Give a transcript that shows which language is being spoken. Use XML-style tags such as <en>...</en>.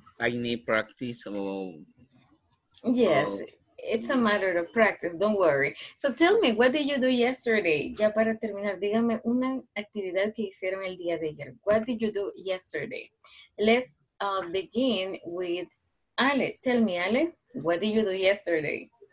<en>Yes, it's a matter of practice, don't worry. So tell me, what did you do yesterday?</en> <es>Ya para terminar, dígame una actividad que hicieron el día de ayer.</es> <en>What did you do yesterday? Let's begin with Ale. Tell me, Ale, what did you do yesterday?</en>